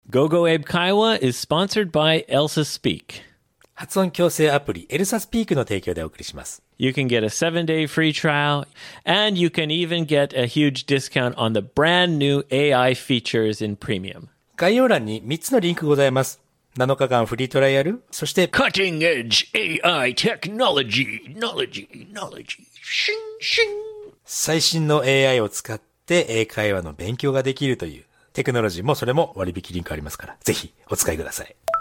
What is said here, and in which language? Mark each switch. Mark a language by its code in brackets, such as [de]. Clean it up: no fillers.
[en] GoGo Abe 会話 is sponsored by Elsa Speak. [ja] 発音矯正アプリ Elsa Speak の提供でお送りします。 [en] You can get a 7-day free trial, and you can even get a huge discount on the brand new AI features in Premium. [ja] 概要欄に3つのリンクございます。7日間フリートライアル、そして [en] Cutting Edge AI Technology, Knowledge, Knowledge, Shin, Shin. [ja] 最新の AI を使って英会話の勉強ができるというテクノロジーもそれも割引リンクありますから、ぜひお使いください。